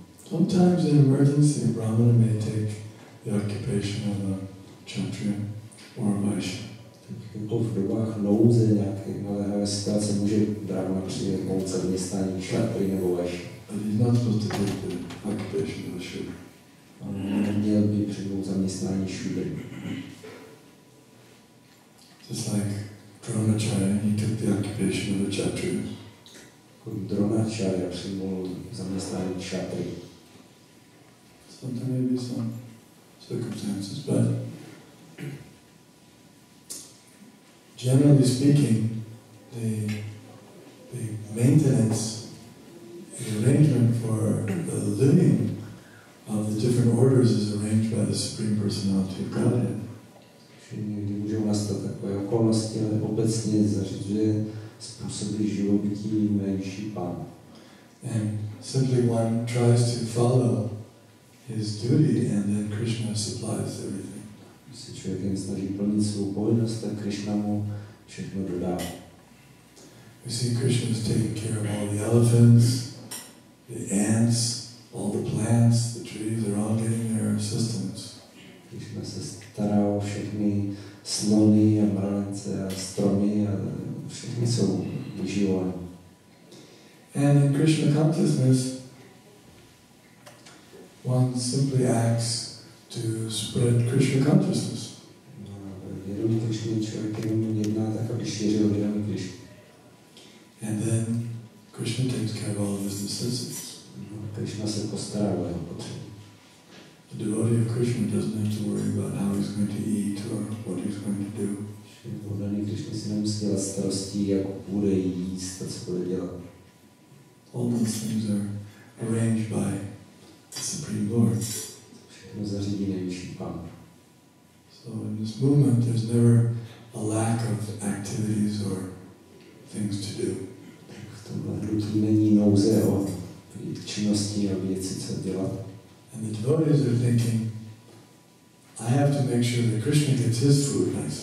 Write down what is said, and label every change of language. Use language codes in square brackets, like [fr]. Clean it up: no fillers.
[en] Sometimes in emergency, a Brahmana may take the occupation of a Kshatriya or a Vaishya. [cs] V dobách nouze nějaké naléhavé situace může Brahmana přijmout moudce vnitřní Kshatri nebo Vaishya. [en] But he's not supposed to take the occupation of a Shudra. [cs] On neměl by přijmout zaměstnání Shudra. [en] Just like Dronacharya, he took the occupation of a Kshatriya. [cs] Dronacharya přijmul zaměstnání Kshatri. [en] Sometimes maybe some circumstances, but generally speaking, the maintenance, the arrangement for the living of the different orders is arranged by the Supreme Personality of Godhead. [cs] Někdy můžou nastat takové okolnosti, ale obecně zařizuje způsoby živobytí nejvyšší pán. [en] And simply one tries to follow his duty, and then Krishna supplies everything. [cs] Jestli člověk jen snaží plnit svou povinnost, tak Krishna mu všechno dodá. [en] We see Krishna is taking care of all the elephants, the ants, all the plants, the trees, they're all getting their systems. [cs] Krishna se stará o všechny slony a mravence a stromy a všechny jsou vyživovány. [en] And in Krishna consciousness, one simply acts to spread Krishna consciousness. [cs] Vědomí Krishna člověk jenom jedná tak, aby šířil vědomí Krishna. [en] And then Krishna takes care of all of his necessities. [cs] Krishna se postará o jeho potřeby. [en] The devotee of Krishna doesn't have to worry about how he's going to eat or what he's going to do. [cs] Oddaný Krishna si nemusí dělat starosti, jak bude jíst a co bude dělat. [en] All these things are arranged by Supreme Lord. [cs] Všechno zařídí nejvyšší pán. [en] So in this movement there's never a lack of activities or things to do. [cs] V tomhle hnutí není nouze o činnosti a věci, co dělat. [en] And the devotees are thinking, I have to make sure that Krishna gets his food